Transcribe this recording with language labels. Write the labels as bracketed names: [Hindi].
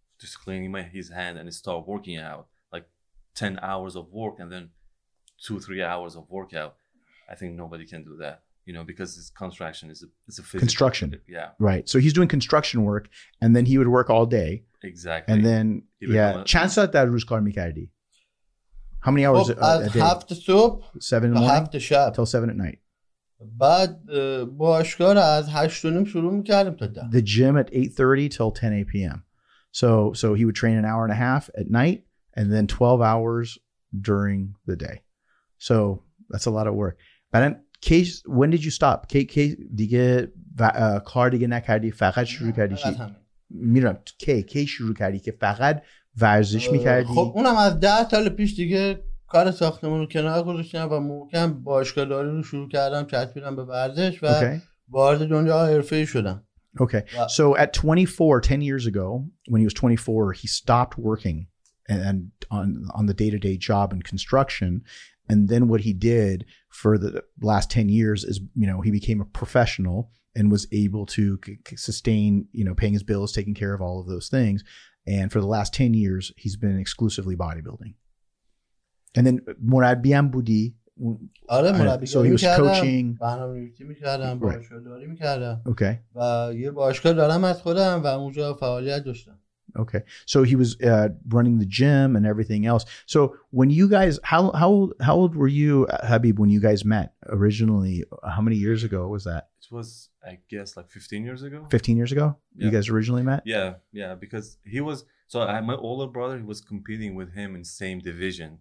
[English] just cleaning his hand and start working out, like 10 hours of work and then 2-3 hours of workout. I think nobody can do that, you know, because it's construction. It's a physical. Construction. Yeah. Right. So he's doing construction work and then he would work all day. Exactly. And then, [Persian] چند ساعت در روز کار میکردی? [English] How many hours a day? Half the soup. 7 in the morning? Half the shop. Till 7 at night. [Persian] بعد باشگاه رو از 8:30 شروع میکردیم تا 10. [English] The gym at 8:30 till 10 a.m. So he would train an hour and a half at night and then 12 hours during the day. So that's a lot of work. [Persian] بعدن, [English] Case, when did you stop? [Persian] Case, دیگه کار دیگه نکردی فقط شروع کردی چی؟ میرم کی شروع کردی که فقط ورزش میکردی؟ خب اونم از 10 سال پیش دیگه کار ساختمون رو کنار گذاشتم و محکم باشگاه داری رو شروع کردم چسبیدم به ورزش و وارد دنیا حرفه‌ای شدم. [English] Okay. So at 24, 10 years ago, when he was 24, he stopped working and on the day-to-day job in construction. And then what he did for the last 10 years is, you know, he became a professional and was able to sustain, you know, paying his bills, taking care of all of those things. And for the last 10 years, he's been exclusively bodybuilding. And then [Persian] مربی هم بودی. آره مربی [English] so he was coaching. [Persian] برنامه‌ریزی می‌کردم، باشگاه‌داری می‌کردم. [English] Okay. [Persian] و یه باشگاه دارم از خودم و اونجا فعالیت داشتم. [English] Okay. So he was running the gym and everything else. So when you guys how old were you, Habib, when you guys met originally? How many years ago was that? It was, I guess, like 15 years ago. 15 years ago? Yeah. You guys originally met? Yeah, because he was my older brother, he was competing with him in same division.